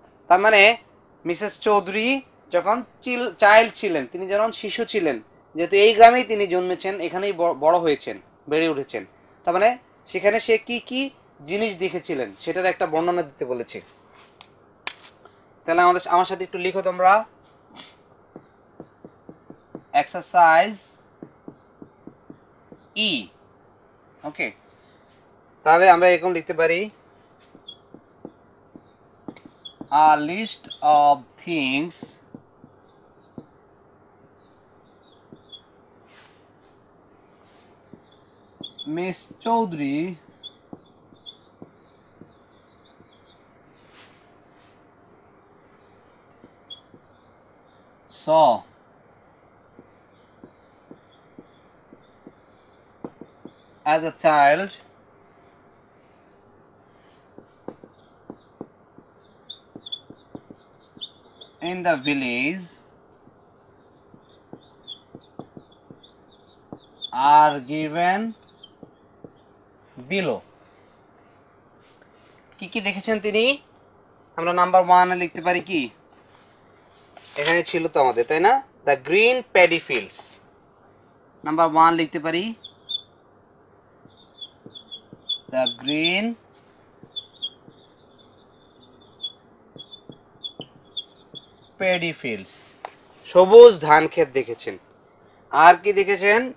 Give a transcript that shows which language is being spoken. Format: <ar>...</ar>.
<bn>তার মানে মিসেস চৌধুরী যখন চাইল্ড ছিলেন, তিনি যখন শিশু ছিলেন, যেহেতু এই গ্রামেই তিনি জন্মেছেন, এখানেই বড় হয়েছেন, বেড়ে উঠেছেন, তার মানে সেখানে সে কি কি জিনিস দেখেছিলেন সেটার একটা বর্ণনা দিতে বলেছে। তাহলে আমাদের আমার সাথে একটু লিখো তোমরা এক্সারসাইজ ই। ওকে, তাহলে আমরা এরকম লিখতে পারি,</bn> <en>a list of things Miss Chaudhary saw as a child in the village are given below.</en> <bn>কি কি দেখেছেন তিনি? আমরা নাম্বার ওয়ানে লিখতে পারি কি, এখানে ছিল তো আমাদের, তাই না?</bn> <en>the green paddy fields,</en> <bn>number one লিখতে পারি, দ্য গ্রিন প্যাডি ফিল্ডস, সবুজ ধান ক্ষেত দেখেছেন। আর কি দেখেছেন?</bn>